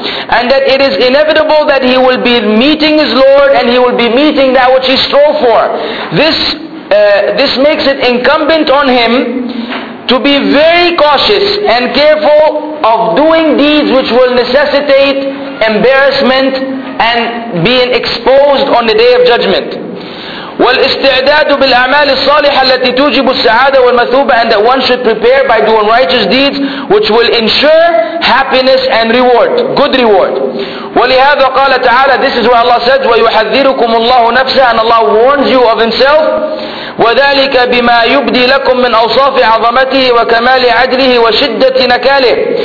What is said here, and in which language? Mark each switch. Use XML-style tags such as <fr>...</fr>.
<en>and that it is inevitable that he will be meeting his Lord, and he will be meeting that which he strove for, this makes it incumbent on him to be very cautious and careful of doing deeds which will necessitate embarrassment and being exposed on the Day of Judgment.</en> <ar>والاستعداد بالأعمال الصالحة التي توجب السعادة والمثوبة.</ar> <en>And that one should prepare by doing righteous deeds which will ensure happiness and reward, good reward.</en> <ar>ولهذا قال تعالى,</ar> <en>this is where Allah says,</en> <ar>ويحذركم الله نفسه,</ar> <en>and Allah warns you of himself.</en> <ar>وذلك بما يبدي لكم من أوصاف عظمته وكمال عدله وشدة نكاله.</ar>